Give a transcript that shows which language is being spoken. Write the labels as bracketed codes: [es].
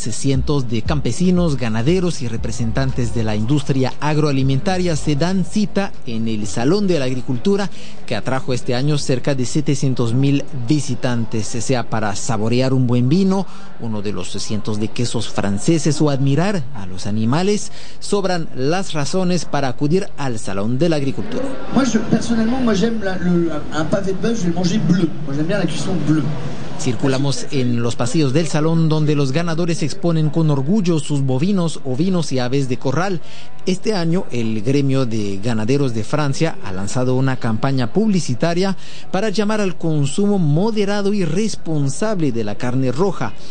[es] Cientos de campesinos, ganaderos y representantes de la industria agroalimentaria se dan cita en el Salón de la Agricultura, que atrajo este año cerca de 700.000 visitantes, sea para saborear un buen vino, uno de los cientos de quesos franceses o admirar a los animales. Sobran las razones para acudir al Salón de la Agricultura. Personalmente, [fr] j'aime un pavé de bœuf, je le mange bleu. [es] Circulamos en los pasillos del salón donde los ganadores exponen con orgullo sus bovinos, ovinos y aves de corral. Este año el gremio de ganaderos de Francia ha lanzado una campaña publicitaria para llamar al consumo moderado y responsable de la carne roja.